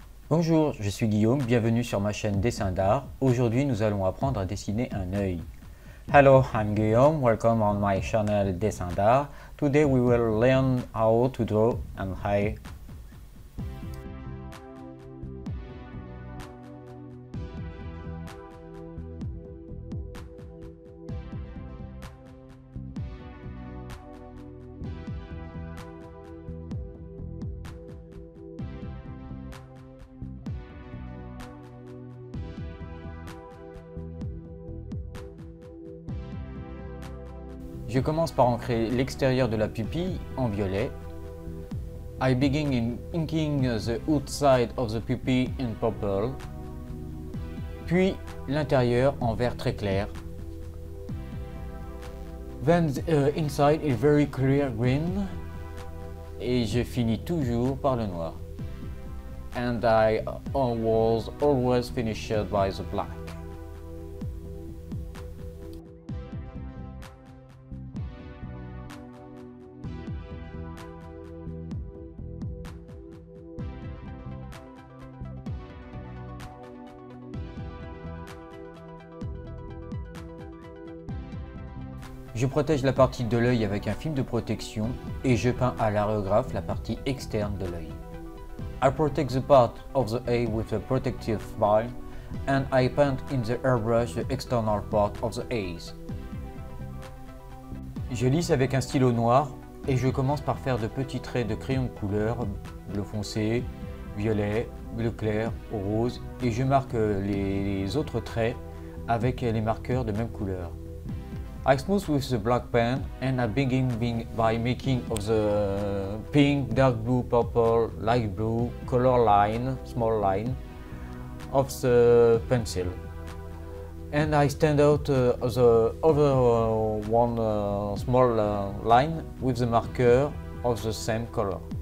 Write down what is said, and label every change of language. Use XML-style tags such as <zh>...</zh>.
<fr>Bonjour, je suis Guillaume, bienvenue sur ma chaîne Dessin d'art. Aujourd'hui, nous allons apprendre à dessiner un œil.</fr> <en>Hello, I'm Guillaume. Welcome on my channel Dessin d'art. Today, we will learn how to draw an eye.</en> <fr>Je commence par ancrer l'extérieur de la pupille en violet.</fr> <en>I begin in inking the outside of the pupil in purple.</en> <fr>Puis l'intérieur en vert très clair.</fr> <en>Then the inside in very clear green.</en> <fr>Et je finis toujours par le noir.</fr> <en>And I was always finished by the black.</en> <fr>Je protège la partie de l'œil avec un film de protection et je peins à l'aérographe la partie externe de l'œil.</fr> <en>I protect the part of the eye with a protective film and I paint in the airbrush the external part of the eyes.</en> <fr>Je lisse avec un stylo noir et je commence par faire de petits traits de crayon de couleur bleu foncé, violet, bleu clair, rose et je marque les autres traits avec les marqueurs de même couleur.</fr> <en>I smooth with the black pen and I begin by making of the pink, dark blue, purple, light blue, color line, small line of the pencil. And I stand out the other one small line with the marker of the same color.</en>